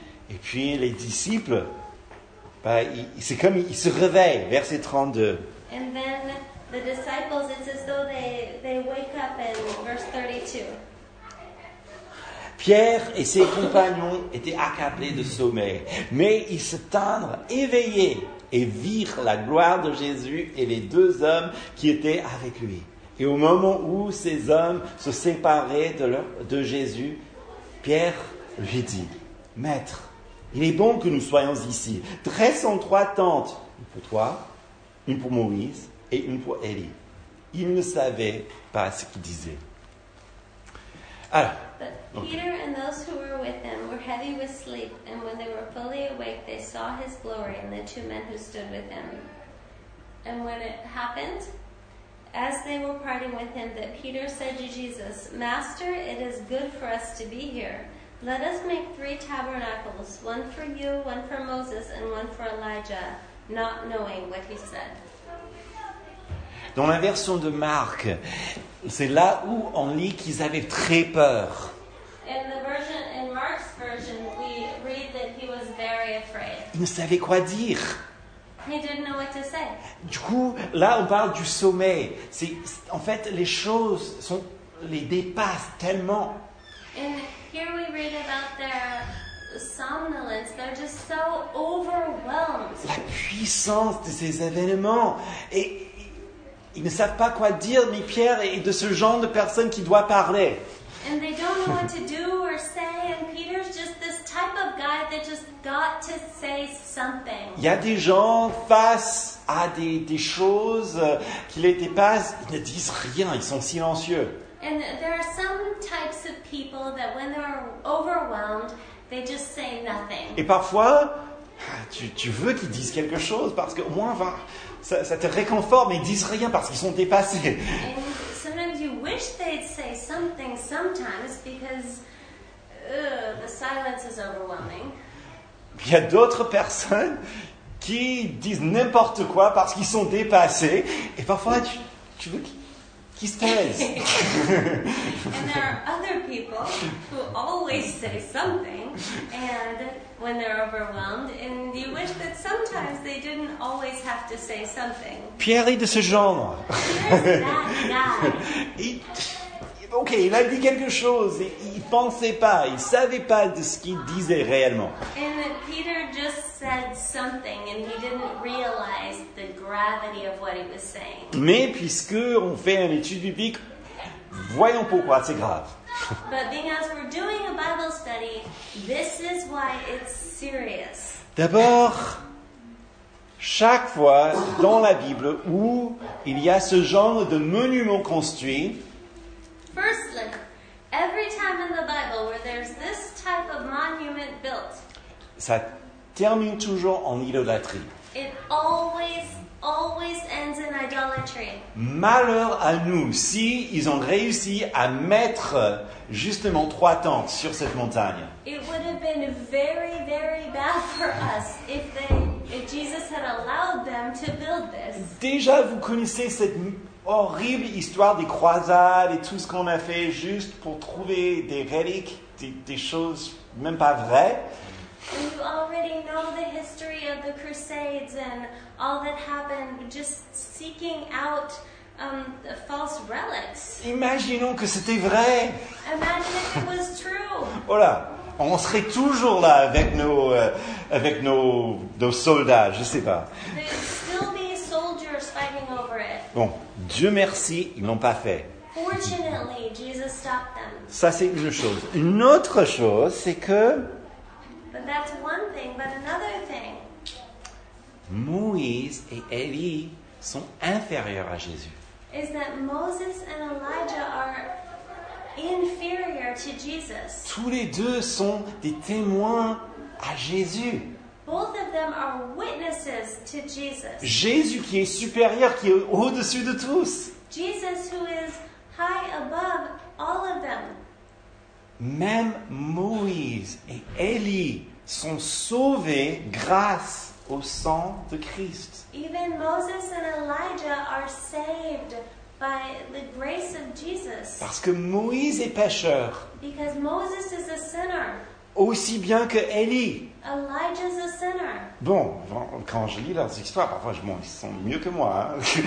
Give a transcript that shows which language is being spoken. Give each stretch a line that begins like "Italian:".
French: Et puis les disciples, bah, c'est comme ils se réveillent, verset 32.
English: And then the disciples, it's as though they wake up in verse 32.
French: Pierre et ses compagnons étaient accablés de sommeil, mais ils se tinrent éveillés et virent la gloire de Jésus et les deux hommes qui étaient avec lui. Et au moment où ces hommes se séparaient de Jésus, Pierre lui dit, « Maître, il est bon que nous soyons ici. Dressons trois tentes, une pour toi, une pour Moïse et une pour Élie. » Il ne savait pas ce qu'il disait. Alors,
English: but Peter and those who were with him were heavy with sleep, and when they were fully awake, they saw his glory and the two men who stood with him. And when it happened, as they were parting with him, that Peter said to Jesus, Master, it is good for us to be here. Let us make three tabernacles, one for you, one for Moses, and one for Elijah, not knowing what he said.
French: Dans la version de Marc, c'est là où on lit qu'ils avaient très peur.
English: In Mark's version, we read that he was very afraid.
French: Il ne savait quoi dire.
English: He didn't know what to say.
French: Du coup, là, on parle du sommeil. C'est, en fait, les choses sont, les dépassent tellement.
English: And here we read about their somnolence. They're just so overwhelmed.
French: La puissance de ces événements. Et ils ne savent pas quoi dire, ni Pierre, et de ce genre de personne qui doit parler.
English: And they don't know what to do or say, and Peter's just this type of guy that just got to say something.
French: Il y a des gens face à des choses qui les dépassent, ils ne disent rien, ils sont silencieux.
English: And there are some types of people that when they're overwhelmed, they just say nothing.
French: Et parfois, tu veux qu'ils disent quelque chose, parce qu'au moins, va... Ça te réconforte, mais ils ne disent rien parce qu'ils sont dépassés.
English: Sometimes you wish they'd say something sometimes because the silence is overwhelming.
French: Il y a d'autres personnes qui disent n'importe quoi parce qu'ils sont dépassés. Et parfois, tu veux qu'ils se taisent.
English: And there are other people who always say something and... when they're overwhelmed, and you wish that sometimes they didn't always have to say something.
French: Pierre est de ce genre.
English: Pierre's that guy.
French: Il a dit quelque chose, il pensait pas, il savait pas de ce qu'il disait réellement.
English: And Peter just said something, and he didn't realize the gravity of what he was saying.
French: Mais puisque on fait une étude biblique, voyons pourquoi c'est grave.
English: But because we're doing a Bible study, this is why it's serious.
French: D'abord, chaque fois dans la Bible où il y a ce genre de monument construit,
English: firstly, every time in the Bible where there's this type of monument built,
French: ça termine toujours en idolâtrie.
English: It always ends in idolatry.
French: Malheur à nous si ils ont réussi à mettre justement trois tentes sur cette montagne.
English: It would have been very, very bad for us if Jesus had allowed them to build this.
French: Déjà, vous connaissez cette horrible histoire des croisades et tout ce qu'on a fait juste pour trouver des reliques, des choses même pas vraies.
English: And you already know the history of the Crusades and all that happened, just seeking out false relics.
French: Imaginons que c'était vrai.
English: Imagine if it was true.
French: Voilà, on serait toujours là avec nos soldats, je sais pas.
English: There'd still be soldiers fighting over it.
French: Bon, Dieu merci, ils l'ont pas fait.
English: Fortunately, Jesus stopped them.
French: Ça c'est une chose. Une autre chose, c'est que.
English: But that's one thing, but another thing.
French: Moïse et Élie sont inférieurs à Jésus.
English: Is that Moses and Elijah are inferior to Jesus.
French: Tous les deux sont des témoins à Jésus.
English: both of them are witnesses to Jesus.
French: Jésus qui est supérieur, qui est au-dessus de tous.
English: Jesus who is high above all of them.
French: Même Moïse et Élie sont sauvés grâce au sang de Christ.
English: Even Moses and Elijah are saved by the grace of Jesus.
French: Parce que Moïse est pécheur.
English: Because Moses is a sinner.
French: Aussi bien que Élie.
English: Elijah's a sinner.
French: Bon, quand je lis leurs histoires, parfois je me dis, ils sont mieux que moi.